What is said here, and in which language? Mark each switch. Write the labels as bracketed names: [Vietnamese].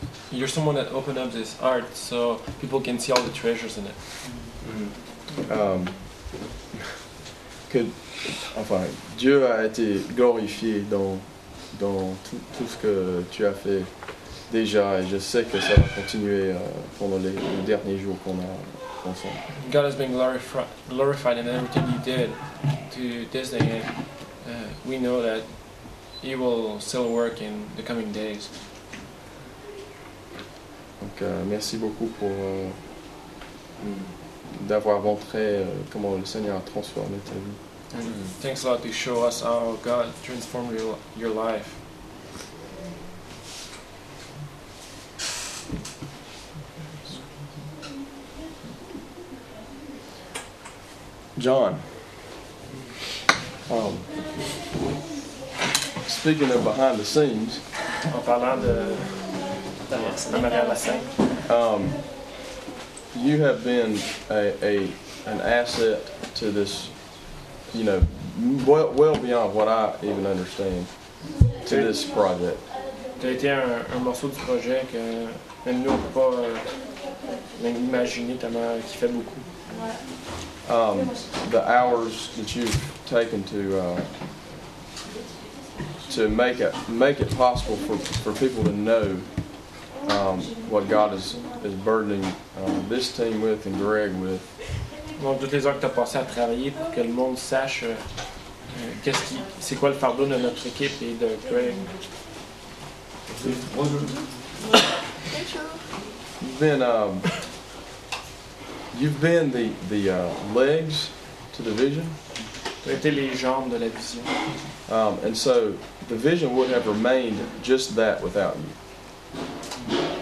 [English] You're someone that opened up this art so people can see all the treasures in it. Mm-hmm. [French] Dieu a été glorifié dans tout ce que tu as fait déjà, et je sais que ça va continuer pendant les derniers jours qu'on a ensemble. [English] God has been glorified in everything you did to this day. We know that he will still work in the coming days. [French] Donc, merci beaucoup pour d'avoir montré comment le Seigneur a transformé ta vie. Mm-hmm. [English] Thanks a lot to show us how God transformed your life. John. Speaking of behind the scenes. [French] En parlant de derrière la scène. [English] You have been an asset to this. You know, well beyond what I even understand to this project. [French] T'as été un morceau du projet que même nous on peut pas imaginer tellement qui fait beaucoup. [English] The hours that you've taken to make it possible for people to know what God is burdening this team with and Greg with. [French] Donc, toutes les heures que tu as passé à travailler pour que le monde sache c'est quoi le fardeau de notre équipe et de Greg. Bonjour. [English] You've been the legs to the vision. [French] Tu as été les jambes de la vision. [English] And so the vision would have remained just that without you.